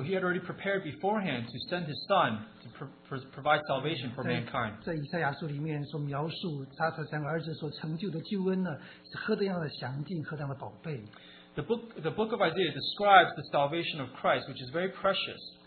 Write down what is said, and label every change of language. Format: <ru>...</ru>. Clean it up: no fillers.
<en>he had already prepared beforehand to send his son to provide salvation for mankind.</en> <zh>在以赛亚书里面所描述他所将儿子所成就的救恩呢，是何等样的详尽，何等的宝贝。</zh> <en>The book of Isaiah describes the salvation of Christ, which is very precious.</en>